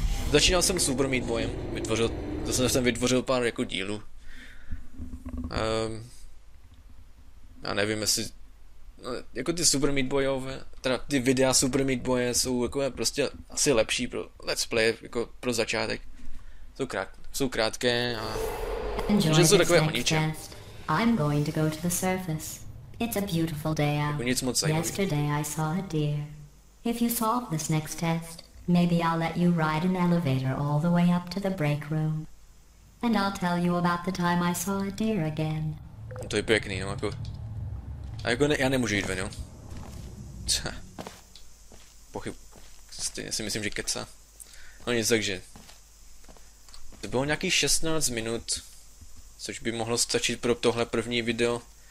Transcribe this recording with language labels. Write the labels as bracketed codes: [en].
[cs] Začínal jsem s Uber Meat Boyem, vytvořil... Zase jsem vytvořil pár jako dílů. Já nevím, jestli... No, jako ty Super Meat Boyové, teda ty videa Super Meat Boye jsou jako prostě asi lepší pro let's play, jako pro začátek. Jsou, jsou krátké a... Že jsou takové o ničem. [en] I'm going to go to the surface. It's a beautiful day out. [cs] Jako nic moc zajímavý. [en] Yesterday I saw a deer. If you solve this next test, maybe I'll let you ride an elevator all the way up to the break room. And I'll tell you about the time I saw a deer again. [cs] To je pěkný, no, jako... A jako ne, já nemůžu jít ven, jo? Co? Pochyb... Stejně si myslím, že keca. No nic, takže... To bylo nějakých 16 minut, což by mohlo stačit pro tohle první video.